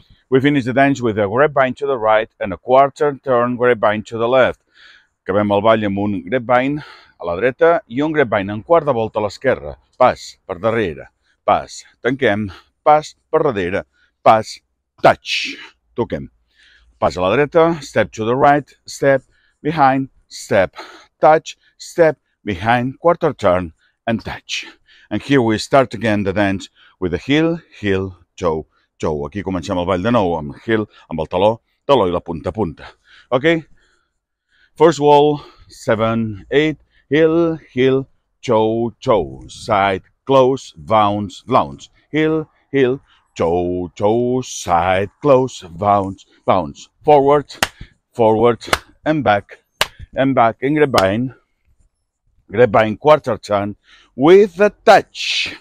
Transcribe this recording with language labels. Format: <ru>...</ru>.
<en>We finish the dance with a grapevine to the right and a quarter turn grapevine to the left.</en> <ca>Acabem el ball amb un grapevine a la dreta i un grapevine en quart de volta a l'esquerra. Pas per darrere, pas, tanquem, pas per darrere, pas, touch, toquem. Pas a la dreta,</ca> <en>step to the right, step, behind, step, touch, step, behind, quarter turn, and touch. And here we start again the dance with a heel, heel, toe, toe.</en> <ca>Aquí comencem el ball de nou amb heel, amb el taló, taló i la punta, punta.</ca> <en>Ok? First wall, 7, 8, heel, heel, toe, toe, side, close, bounce, bounce, heel, heel, toe, toe, side, close, bounce, bounce, forward, forward, and back, and grapevine, grapevine, quarter turn, with a touch.</en>